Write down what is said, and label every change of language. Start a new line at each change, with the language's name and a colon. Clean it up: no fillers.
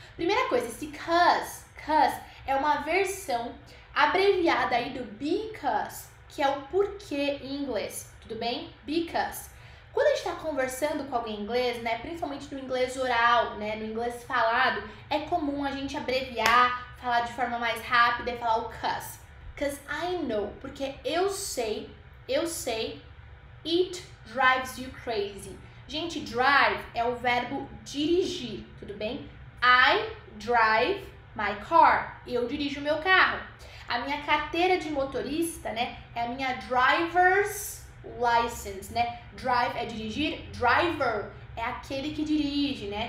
Portuguese: Primeira coisa, esse 'cause é uma versão abreviada aí do because, que é o porquê em inglês, tudo bem? Because. Quando a gente tá conversando com alguém em inglês, né, principalmente no inglês oral, né, no inglês falado, é comum a gente abreviar, falar de forma mais rápida e falar o 'cause.
English: 'Cause I know,
Portuguese: porque eu sei,
English: it drives you crazy.
Portuguese: Gente, drive é o verbo dirigir, tudo bem?
English: I drive my car,
Portuguese: eu dirijo o meu carro. A minha carteira de motorista, né, é a minha driver's license, né? Drive é dirigir, driver é aquele que dirige, né?